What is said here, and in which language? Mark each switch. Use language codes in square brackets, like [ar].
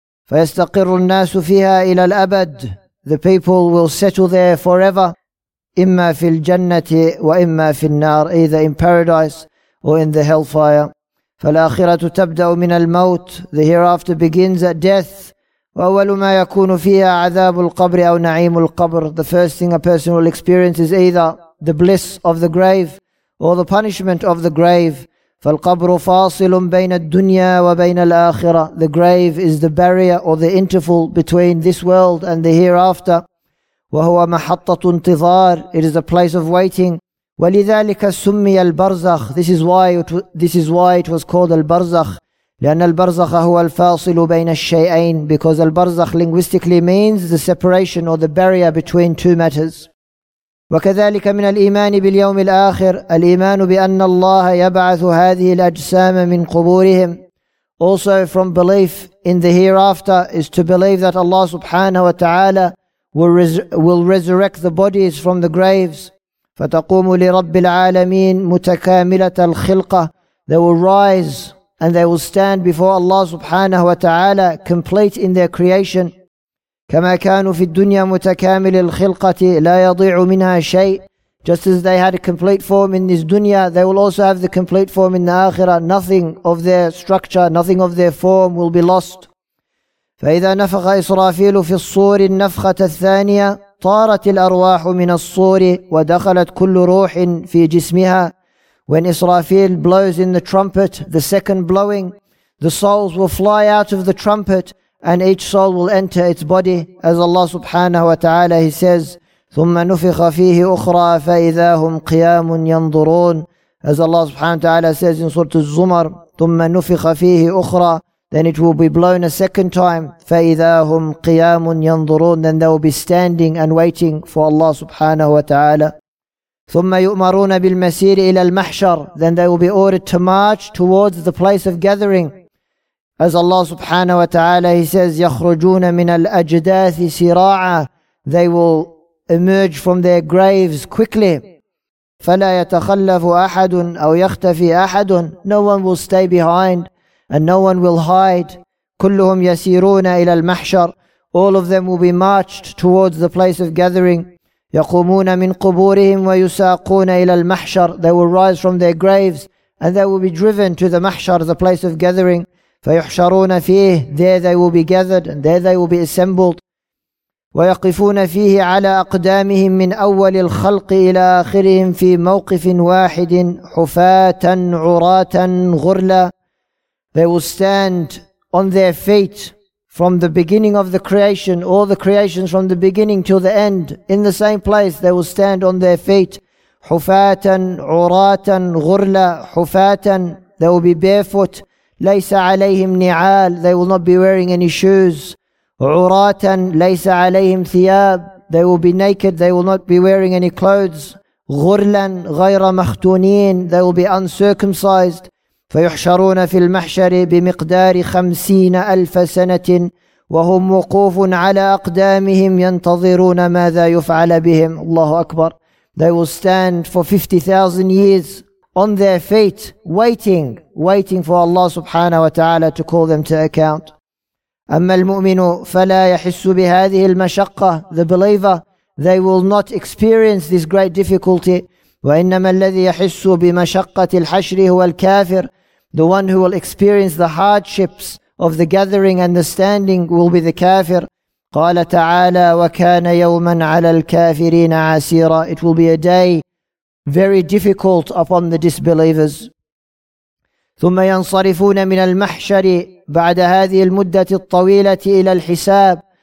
[ar] فَيَسْتَقِرُ النَّاسُ فِيهَا إِلَى الْأَبَدِ, [en] the people will settle there forever. [ar] إِمَّا فِي الْجَنَّةِ وَإِمَّا فِي النَّارِ, [en] either in paradise or in the hellfire. [ar] فَالْآخِرَةُ تَبْدَأُ مِنَ الْمَوْتِ, [en] the hereafter begins at death. [ar] وأول ما يكون فيها عذاب القبر أو نعيم القبر. [en] The first thing a person will experience is either the bliss of the grave or the punishment of the grave. [ar] فالقبر فاصل بين الدنيا وبين الآخرة. [en] The grave is the barrier or the interval between this world and the hereafter. [ar] وهو محطة انتظار. [en] It is a place of waiting. [ar] ولذلك سمي البرزخ. [en] This is why it was called البرزخ. [ar] لأن البرزخ هو الفاصل بين الشيئين, [en] because البرزخ linguistically means the separation or the barrier between two matters. [ar] وكذلك من الإيمان باليوم الآخر, الإيمان بأن الله يبعث هذه الأجسام من قبورهم. [en] Also from belief in the hereafter is to believe that Allah subhanahu wa ta'ala will resurrect the bodies from the graves. [ar] فتقوم لرب العالمين متكاملة الخلقة. [en] They will rise and they will stand before Allah subhanahu wa ta'ala, complete in their creation. [ar] كما كانوا في الدنيا متكامل الخلقة لا يضيع منها شيء. [en] Just as they had a complete form in this dunya, they will also have the complete form in the akhirah. Nothing of their structure, nothing of their form will be lost. [ar] فإذا نفخ إسرافيل في الصور النفخة الثانية طارت الأرواح من الصور ودخلت كل روح في جسمها. [en] When Israfil blows in the trumpet, the second blowing, the souls will fly out of the trumpet and each soul will enter its body. As Allah subhanahu wa ta'ala, He says, [ar] ثُمَّ نُفِخَ فِيهِ أُخْرَى فَإِذَا هُمْ قِيَامٌ يَنْظُرُونَ. [en] As Allah subhanahu wa ta'ala says in Surah Al-Zumar, [ar] ثُمَّ نُفِخَ فِيهِ أُخْرَى, [en] then it will be blown a second time, [ar] فَإِذَا هُمْ قِيَامٌ يَنْظُرُونَ, [en] then they will be standing and waiting for Allah subhanahu wa ta'ala. [ar] ثم يؤمرون بالمسير إلى المحشر. [en] Then they will be ordered to march towards the place of gathering. As Allah subhanahu wa ta'ala, He says, [ar] يخرجون من الأجداث سراعا. [en] They will emerge from their graves quickly. [ar] فلا يتخلف أحد أو يختفي أحد. [en] No one will stay behind. and no one will hide. [ar] كلهم يسيرون إلى المحشر. [en] All of them will be marched towards the place of gathering. [ar] يقومون من قبورهم ويساقون إلى المحشر. [en] They will rise from their graves and they will be driven to the mahshar, the place of gathering. [ar] فيحشرون فيه. [en] There they will be gathered and there they will be assembled. [ar] ويقفون فيه على أقدامهم من أول الخلق إلى آخرهم في موقف واحد حفاة عراة غرلا. [en] They will stand on their feet from the beginning of the creation, all the creations from the beginning till the end, in the same place they will stand on their feet. [ar] حفاة عراة غرلا. حفاة, [en] they will be barefoot. [ar] ليس عليهم نعال, [en] they will not be wearing any shoes. [ar] عراة, ليس عليهم ثياب, [en] they will be naked, they will not be wearing any clothes. [ar] غرلا, غير مختونين, [en] they will be uncircumcised. [ar] فيحشرون في المحشر بمقدار 50,000 سنة وهم وقوف على أقدامهم ينتظرون ماذا يفعل بهم. الله أكبر. [en] They will stand for 50,000 years on their feet, waiting for Allah subhanahu wa ta'ala to call them to account. [ar] أما المؤمن فلا يحس بهذه المشقة. [en] The believer, they will not experience this great difficulty. [ar] وإنما الذي يحس بمشقة الحشر هو الكافر. [en] The one who will experience the hardships of the gathering and the standing will be the kafir. [ar] قَالَ تَعَالَى وَكَانَ يَوْمًا عَلَى الْكَافِرِينَ عَسِيرًا. [en] It will be a day very difficult upon the disbelievers. [ar] ثُمَّ يَنْصَرِفُونَ مِنَ الْمَحْشَرِ بَعْدَ هَذِهِ الْمُدَّةِ الطَّوِيلَةِ إِلَى الْحِسَابِ.